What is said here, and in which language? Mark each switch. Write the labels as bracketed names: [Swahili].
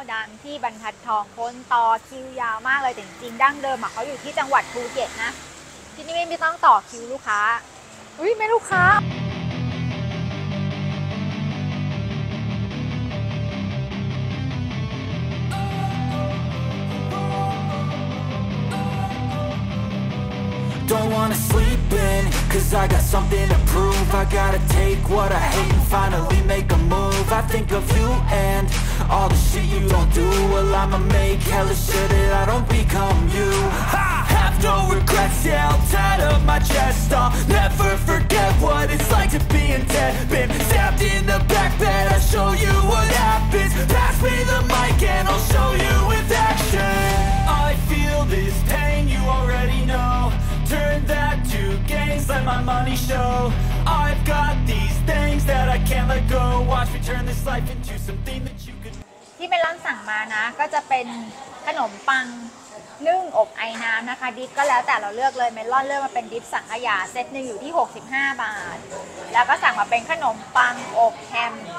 [Thai] ดังที่บรรทัดทองคนต่อคิวยาวมากเลยแต่จริงๆดั้งเดิมเขาอยู่ที่จังหวัดภูเก็ตนะที่นี่ไม่ต้องต่อคิวลูกค้าอุ้ยไม่ลูกค้า [English] Don't wanna sleep in, cause I got something to prove. I gotta take what I hate and finally make a move. I think of you and all the shit you don't do. Well, I'ma make hella sure that I don't become you. Ha! Have no regrets, yeah, I'll tattoo my chest. I'll never forget what it's like to be in debt. Been stabbed in the back bed, I'll show you what happens. Pass me the mic and I'll show you with action. I feel this pain, you already knowTurn that to gains, let my money show. I've got these things that I can't let go. Watch me turn this life into something that you could. [Thai] ที่เมลอนสั่งมานะก็จะเป็นขนมปังนึ่งอบไอน้ำนะคะดิปก็แล้วแต่เราเลือกเลยเมลอนเลือกมาเป็นดิปสังขยาเซตนึงอยู่ที่65บาทแล้วก็สั่งมาเป็นขนมปังอบแฮม